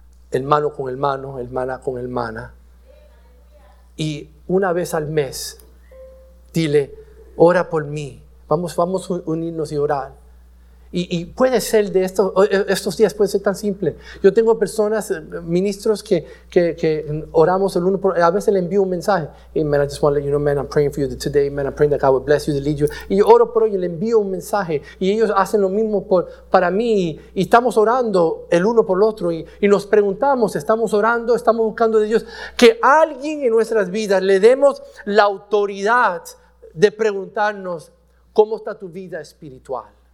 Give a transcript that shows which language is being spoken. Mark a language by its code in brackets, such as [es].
[es] Hermano con hermano, hermana con hermana. Y una vez al mes, dile, ora por mí. Vamos a unirnos y orar. Y puede ser de estos días, puede ser tan simple. Yo tengo personas, ministros que oramos el uno por otro. A veces le envío un mensaje. [en] Hey, man, I just want to let you know, man, I'm praying for you today. Man, I'm praying that God will bless you, to lead you. [es] Y yo oro por hoy y le envío un mensaje. Y ellos hacen lo mismo para mí. Y estamos orando el uno por el otro. Y nos preguntamos, estamos orando, estamos buscando de Dios. Que alguien en nuestras vidas le demos la autoridad de preguntarnos, ¿cómo está tu vida espiritual?